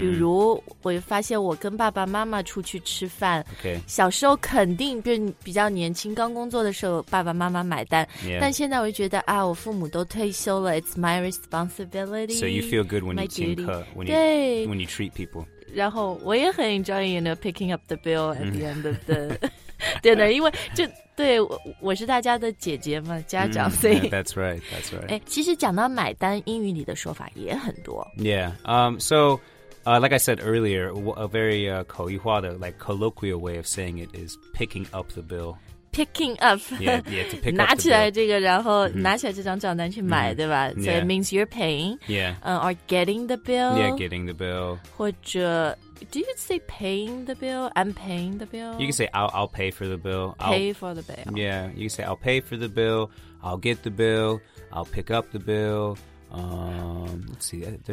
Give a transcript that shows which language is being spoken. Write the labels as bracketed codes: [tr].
[zh] 比如我发现我跟爸爸妈妈出去吃饭、 okay. 小时候肯定比较年轻刚工作的时候爸爸妈妈买单、 yeah. 但现在我就觉得啊，我父母都退休了 It's my responsibility [en] So you feel good when you请客 when you treat people [zh] 然后我也很 enjoying you know, picking up the bill at the end of the dinner 因为就对 我是大家的姐姐嘛家长、mm, 所以 [en] That's right, that's right [zh] 诶其实讲到买单英语里的说法也很多 [en] Yeah, so、like I said earlier A very 口语化的 like colloquial way of saying it is picking up the bill Picking up, yeah, to pick [zh] 拿起来这个，然后拿起来这张账单去买，对吧？ [en] So it means you're paying, or getting the bill. Yeah, getting the bill. 或者 do you say paying the bill? I'm paying the bill. You can say I'll pay for the bill. Yeah, you can say I'll pay for the bill. I'll get the bill. I'll pick up the bill. Let's see, there's something else I'm forgetting here.